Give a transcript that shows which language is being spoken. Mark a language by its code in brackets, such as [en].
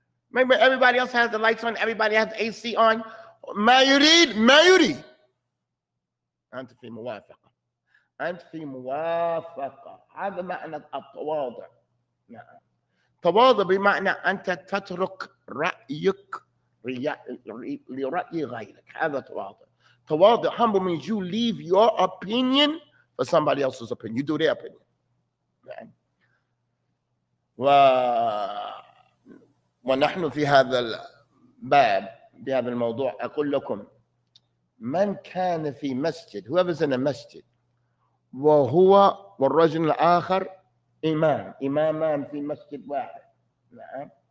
[en] Remember, everybody else has the lights on. Everybody has AC on. Mayuri. [ar] أنت في موافقة. أنت في موافقة. هذا معنى التواضع. تواضع بمعنى أنت تترك رأيك لرأي غيرك. هذا تواضع. [en] تواضع humble means you leave your opinion for somebody else's opinion. You do their opinion. [ar] و ونحن في هذا الباب بهذا الموضوع أقول لكم من كان في مسجد [en] whoever's in a masjid [ar] وهو والرجل الآخر إمامان في مسجد واحد نعم